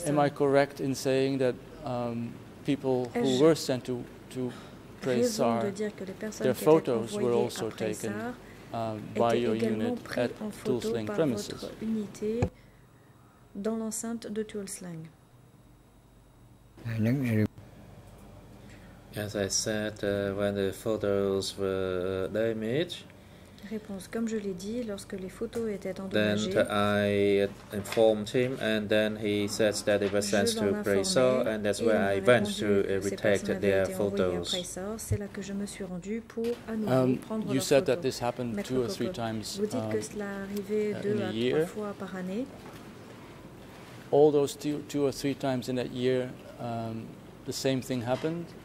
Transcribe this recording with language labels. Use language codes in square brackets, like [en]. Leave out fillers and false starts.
[en] Am I correct in saying that people who were sent to Preissar, their photos were also taken by your unit at Tulsling premises? [fr] Dans l'enceinte de Tulsling. [en] As I said, when the photos were damaged, [fr] réponse, comme je l'ai dit, lorsque les photos étaient endommagées, [en] then I informed him, and then he said that they were sent to Preissar, and that's where I went to retake their photos. [fr] C'est là que je me suis rendu pour à nouveau prendre [en] you said that this happened two or three times [fr] vous dites que cela arrivait deux à trois fois par année. [en] All those two or three times in that year, the same thing happened.